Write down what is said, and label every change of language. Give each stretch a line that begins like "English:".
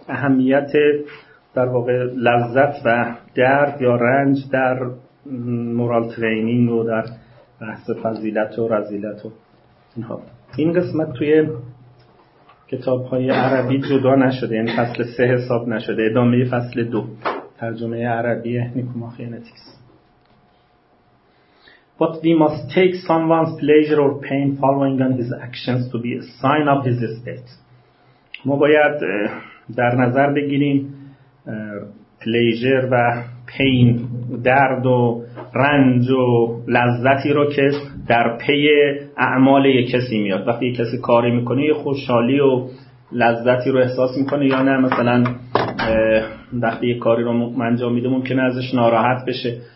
Persian: اهمیت در واقع لذت و درد یا رنج در مورال ترینینگ و در بحث فضیلت و رذیلت و اینها، این قسمت توی کتاب‌های عربی جدا نشده، یعنی فصل 3 حساب نشده، ادامه فصل 2 ترجمه عربی نیکوماخیانتیکس.
English: But we must take someone's pleasure or pain following on his actions to be a sign of his state.
Persian: ما باید در نظر بگیریم پلیجر و پین، درد و رنج و لذتی رو که در پی اعمال یک کسی میاد. وقتی یک کسی کاری میکنه یه خوشحالی و لذتی رو احساس میکنه یا نه، مثلا وقتی یک کاری رو انجام میده ممکنه ازش ناراحت بشه.